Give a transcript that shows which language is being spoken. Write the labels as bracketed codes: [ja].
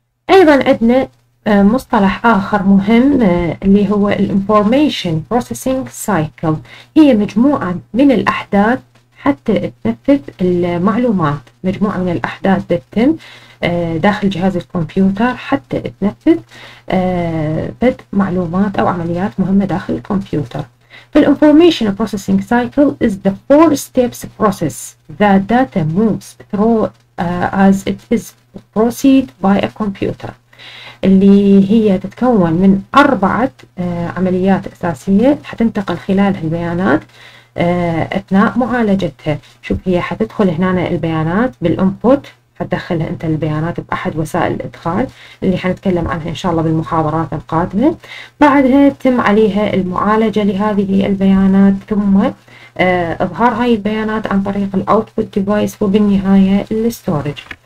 [ar] ايضا عندنا مصطلح اخر مهم اللي هو الانفورميشن بروسيسنج سايكل، هي مجموعة من الاحداث حتى تنفذ المعلومات. مجموعة من الأحداث تتم داخل جهاز الكمبيوتر حتى تنفذ بد معلومات أو عمليات مهمة داخل الكمبيوتر. [en] فالـ Information Processing Cycle is the four steps process that data moves through as it is processed by a computer، [ar] اللي هي تتكون من أربعة عمليات أساسية حتنتقل خلالها البيانات أثناء معالجتها. شوف، هي حتدخل هنا البيانات بالإنبوت، حتدخلها أنت البيانات بأحد وسائل الإدخال اللي حنتكلم عنها إن شاء الله بالمحاضرات القادمة. بعدها تم عليها المعالجة لهذه البيانات، ثم إظهار هاي البيانات عن طريق الأوتبوت ديفايس، وبالنهاية الستورج.